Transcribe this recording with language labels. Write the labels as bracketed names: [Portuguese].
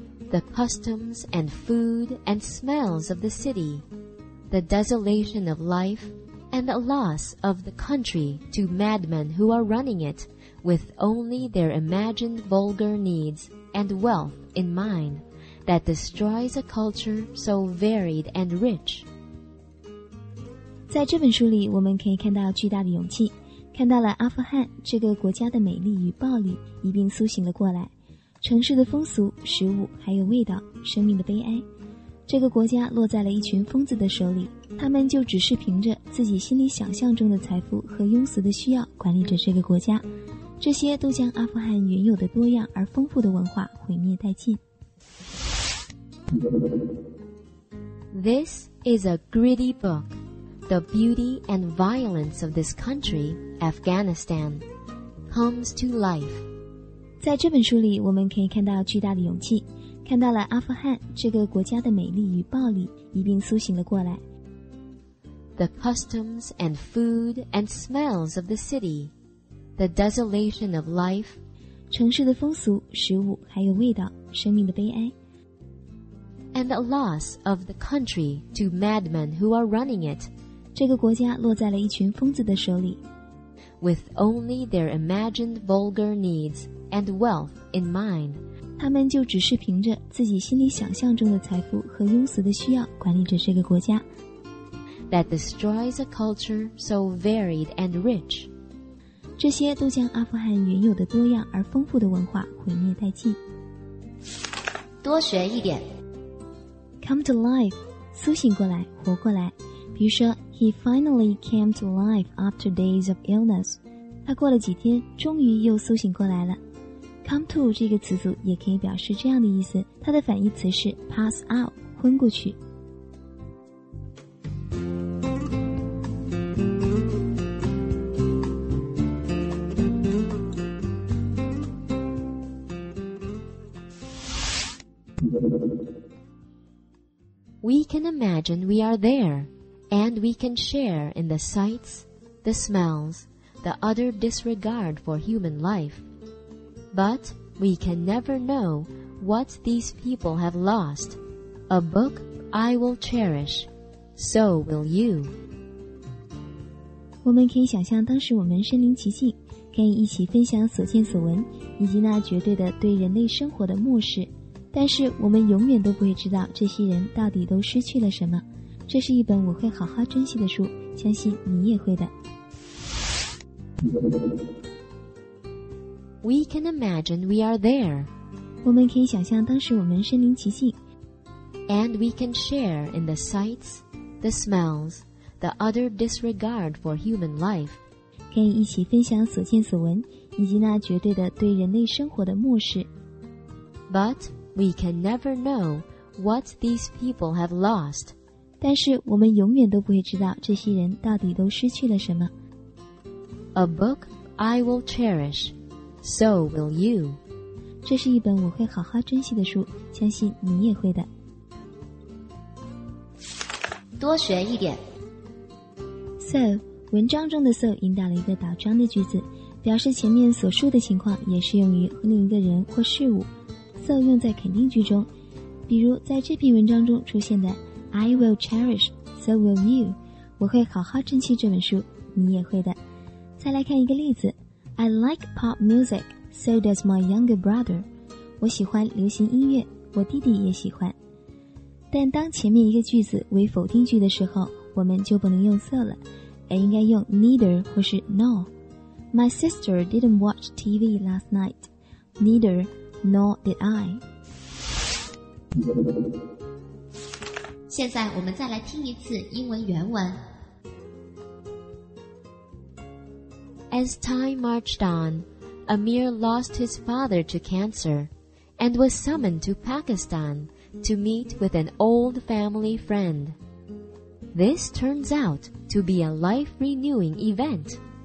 [English] The customs and food and smells of the city, the desolation of life, and the loss of the country to madmen who are running it with only their imagined vulgar needs and wealth in mind that destroys a culture so varied and rich. [Chinese] 在这本书里，我们可以看到巨大的勇气，看到了阿富汗这个国家的美丽与暴力一并苏醒了过来，城市的风俗、食物还有味道，生命的悲哀，这个国家落在了一群疯子的手里，他们就只是凭着自己心里想象中的财富和庸俗的需要管理着这个国家，这些都将阿富汗原有的多样而丰富的文化毁灭殆尽。 [English] This is a gritty bookThe beauty and violence of this country, Afghanistan, comes to life. [Chinese] 在这本书里，我们可以看到巨大的勇气，看到了阿富汗这个国家的美丽与暴力一并苏醒了过来。 [English] The customs and food and smells of the city, the desolation of life, [Chinese] 城市的风俗、食物还有味道、生命的悲哀。 [English] And the loss of the country to madmen who are running it, [Chinese] 这个国家落在了一群疯子的手里。 [English] With only their imagined vulgar needs and wealth in mind, [Chinese] 他们就只是凭着自己心里想象中的财富和庸俗的需要管理着这个国家。 [English] That destroys a culture so varied and rich. [Chinese] 这些都将阿富汗原有的多样而丰富的文化毁灭殆尽。多学一点。 Come to life, 苏醒过来，活过来。比如说 [English] ,He finally came to life after days of illness. [Chinese] 他过了几天，终于又苏醒过来了。Come to 这个词组也可以表示这样的意思，它的反义词是 pass out, 昏过去。 [English] We can imagine we are there, and we can share in the sights, the smells, the utter disregard for human life. But we can never know what these people have lost. A book I will cherish, so will you. [Chinese] 我们可以想象当时我们身临其境，可以一起分享所见所闻，以及那绝对的对人类生活的漠视。但是我们永远都不会知道这些人到底都失去了什么。这是一本我会好好珍惜的书，相信你也会的。 [English] We can imagine we are there. [Chinese] 我们可以想象当时我们身临其境。 [English] And we can share in the sights, the smells, the utter disregard for human life. [Chinese] 可以一起分享所见所闻，以及那绝对的对人类生活的漠视。 [English] But... We can never know what these people have lost. [Chinese] 但是我们永远都不会知道这些人到底都失去了什么。 [English] A book I will cherish, so will you. [Chinese] 这是一本我会好好珍惜的书，相信你也会的。多学一点。 So, 文章中的 so 引导了一个倒装的句子，表示前面所述的情况也适用于另一个人或事物。 So 用在肯定句中，比如在这篇文章中出现的 [English] I will cherish, so will you. [Chinese] 我会好好珍惜这本书，你也会的。再来看一个例子， [English] I like pop music, so does my younger brother. [Chinese] 我喜欢流行音乐，我弟弟也喜欢。但当前面一个句子为否定句的时候，我们就不能用 so 了，而应该用 neither 或是 no. [English] My sister didn't watch TV last night. Neither. Nor did I. [Chinese] 现在我们再来听一次英文原文。 [English] As time marched on, Amir lost his father to cancer and was summoned to Pakistan to meet with an old family friend. This turns out to be a life-renewing event.